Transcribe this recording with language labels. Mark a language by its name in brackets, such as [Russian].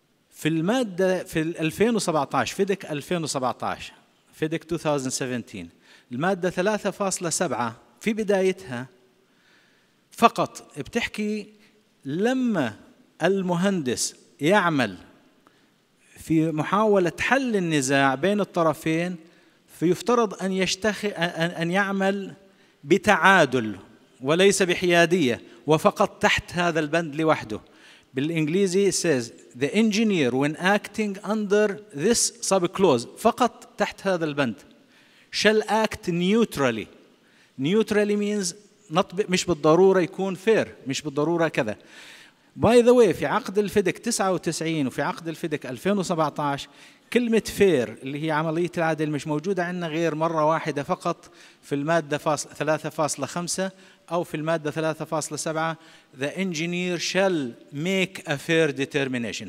[Arabic] في المادة في 2017 فيدك 2017 فيدك 2017 المادة 3.7 في بدايتها فقط بتحكي لما المهندس يعمل في محاولة حل النزاع بين الطرفين فيفترض أن يعمل بتعادل وليس بحيادية وفقط تحت هذا البند لوحده. بالإنجليزي [English] says the engineer when acting under this subclause، [Arabic] فقط تحت هذا البند، [English] shall act neutrally. Neutrally means [Arabic] مش بالضرورة يكون fair، مش بالضرورة كذا. [English] By the way [Arabic] في عقد الفيدك 99 وفي عقد الفيدك 2017 كلمة fair اللي هي عملية العدل مش موجودة عندنا غير مرة واحدة فقط في المادة 3.5 أو في المادة 3.7 [English] the engineer shall make a fair determination.